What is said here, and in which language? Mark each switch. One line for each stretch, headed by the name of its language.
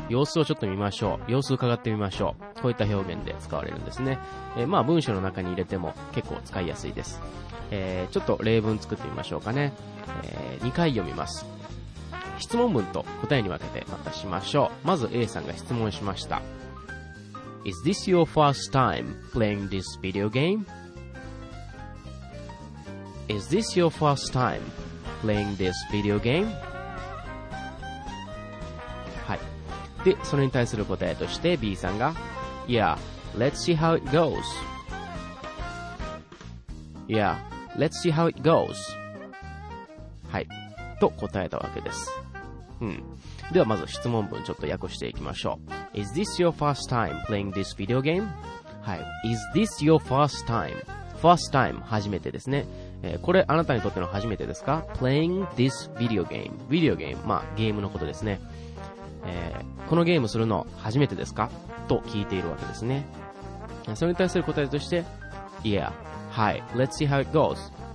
Japanese: 様子をちょっと見ましょう。様子伺ってみましょう。こういった表現で使われるんですね。まあ文章の中に入れても結構使いやすいです。ちょっと例文作ってみましょうかね。2回読みます。質問文と答えに分けてまたしましょう。まず A さんが質問しました。
English: Is this your first time playing this video game? Is this your first time playing this video game?
Japanese: はい。で、それに対する答えとして B さんが
English: Yeah, let's see how it goes. Yeah, let's see how it goes. はい。
Japanese: と答えたわけです。ではまず質問文ちょっと訳していきましょう。
English: Is this your first time playing this video game? はい。Is this your first time? First time
Japanese: 初めてですね。これあなたにとっての初めてですか?
English: Playing this video game. Video game.
Japanese: まあゲームのことですね。このゲームするの初めてですか? と聞いているわけですね。それに対する答えとして Yeah. はい。
English: Let's see how it goes.